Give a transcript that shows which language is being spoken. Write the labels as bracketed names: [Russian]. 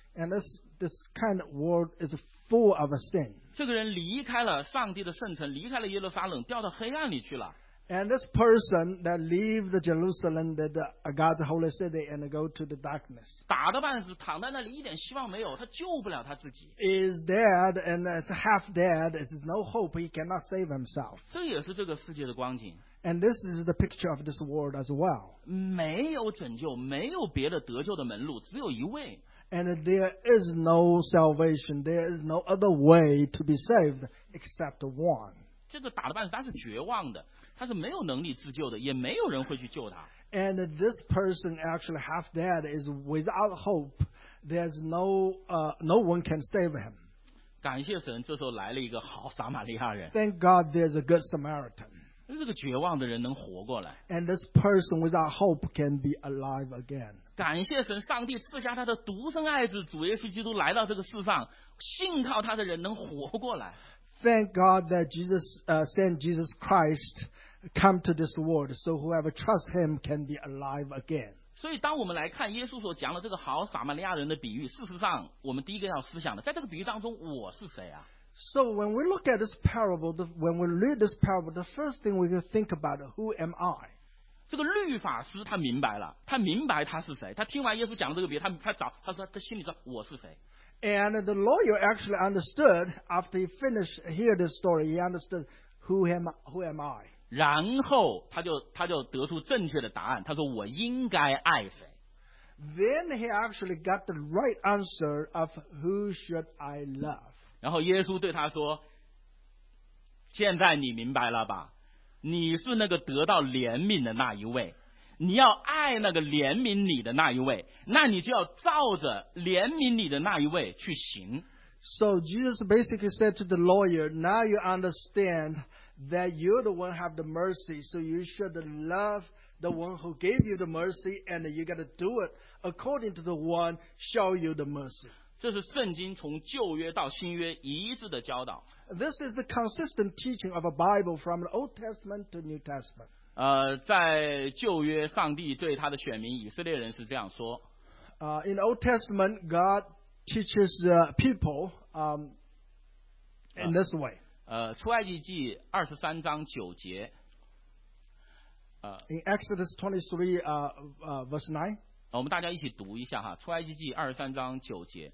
[English] And this kind of world is full of sin. [Chinese] 这个人离开了上帝的圣城，离开了耶路撒冷，掉到黑暗里去了。 [English] And this person that leave the Jerusalem, that God's holy city, and go to the darkness. [Chinese] 打得半死，躺在那里一点希望没有，他救不了他自己。 [English] Is dead and it's half dead. It's no hope. He cannot save himself. [Chinese] 这也是这个世界的光景。 [English] And this is the picture of this world as well. [Chinese] 没有拯救，没有别的得救的门路，只有一位。 [English] And there is no salvation. There is no other way to be saved except one. [Chinese] 这个打得半死，他是绝望的。他是没有能力自救的，也没有人会去救他。 [English] And this person actually half dead is without hope. There's no one can save him. [Chinese] 感谢神，这时候来了一个好撒玛利亚人。 [English] Thank God, there's a good Samaritan. [Chinese] 这个绝望的人能活过来。 [English] And this person without hope can be alive again. [Chinese] 感谢神，上帝赐下他的独生爱子主耶稣基督来到这个世上，信靠他的人能活过来。 [English] Thank God that Jesus sent Jesus Christ come to this world, so whoever trusts Him can be alive again. [Chinese] 所以，当我们来看耶稣所讲的这个好撒玛利亚人的比喻，事实上，我们第一个要思想的，在这个比喻当中，我是谁啊？ [English] So when we look at this parable, when we read this parable, the first thing we can think about, who am I? [Chinese] 这个律法师他明白了，他明白他是谁。他听完耶稣讲的这个比喻，他心里说我是谁。 [English] And the lawyer actually understood after he finished hear this story. He understood who am I. [Chinese] 然后他就得出正确的答案。他说我应该爱谁。 [English] Then he actually got the right answer of who should I love. [Chinese] 然后耶稣对他说：“现在你明白了吧？你是那个得到怜悯的那一位。你要爱那个怜悯你的那一位，那你就要照着怜悯你的那一位去行。 [English] So Jesus basically said to the lawyer, now you understand that you're the one who have the mercy, so you should love the one who gave you the mercy, and you got to do it according to the one show you the mercy. [Chinese] 这是圣经从旧约到新约一致的教导。 [English] This is the consistent teaching of a Bible from the Old Testament to New Testament. [Chinese] 在旧约，上帝对他的选民以色列人是这样说。 [English] In the Old Testament, God teaches the people in this way. [Chinese] 出埃及记二十三章九节。 [English] In Exodus 23:9. [Chinese] 我们大家一起读一下哈，出埃及记二十三章九节。